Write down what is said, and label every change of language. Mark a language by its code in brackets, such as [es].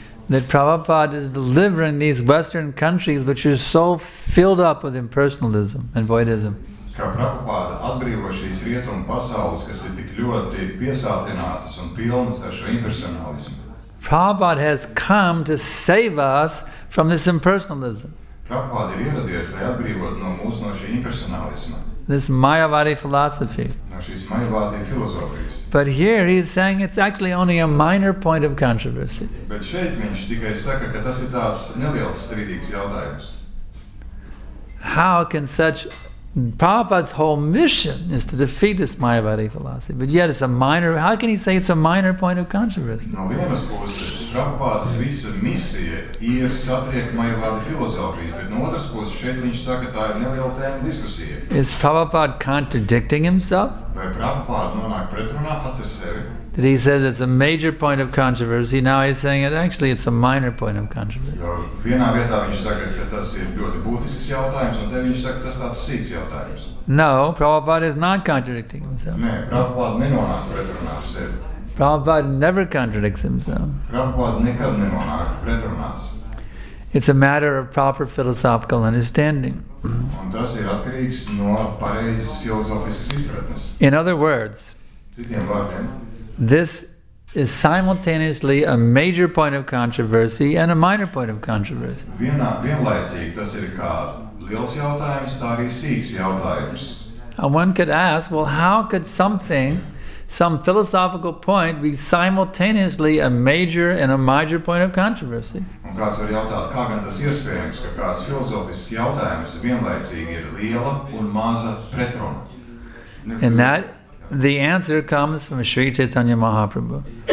[en] That Prabhupada is delivering these Western countries which are so filled up with impersonalism and voidism. [lv] Ka Prabhupāda atbrīvo šīs rietumu pasaules, kas ir tik ļoti piesātinātas un pilnas ar šo impersonalismu. [en] Prabhupāda has come to save us from this impersonalism. [lv] Prabhupāda ir ieradies, lai atbrīvot no mūsu no šī impersonalisma. [en] This Mayavadi philosophy. [lv] No šīs Mayavadi filozofijas. [en] But here he is saying it's actually only a minor point of controversy. [lv] Bet šeit viņš tikai saka, ka tas ir tāds neliels strīdīgs jautājums. [en] How can such Prabhupada's whole mission is to defeat this Mayavadi philosophy, but yet it's a minor, how can he say it's a minor point of controversy? [lv] No vienas puses, Prabhupada's visa misija ir satriekt Mayavadi filozofiju, bet no otras puses, šeit viņš saka, tā ir neliela tēma diskusija. [en] Is Prabhupada contradicting himself? [lv] Vai Prabhupada nonāk pretrunā pats ar sevi? [en] That he says it's a major point of controversy, now he's saying that actually it's a minor point of controversy. [lv] Vienā vietā viņš saka, ka tas ir ļoti būtisks jautājums, un te viņš saka, tas tāds sīks jautājums. [en] No, Prabhupada is not contradicting himself. [lv] Nē, Prabhupada nenonāk pretrunā ar sevi. [en] Prabhupada never contradicts himself. [lv] Prabhupada nekad nenonāk pretrunās. [en] It's a matter of proper philosophical understanding. [lv] Un tas ir atkarīgs no pareizes filozofiskas izpratnes. [en] In other words, [lv] citiem vārdiem, [en] this is simultaneously a major point of controversy and a minor point of controversy. [lv] Vienlaicīgi tas ir kā liels jautājums, tā arī sīks jautājums. [en] And one could ask, well, how could something, some philosophical point, be simultaneously a major and a minor point of controversy? [lv] Un kāds var jautāt, kā gan tas iespējams, ka kāds filozofisks jautājums vienlaicīgi ir liela un maza pretruna? [en] And that the answer comes from Sri Chaitanya Mahaprabhu.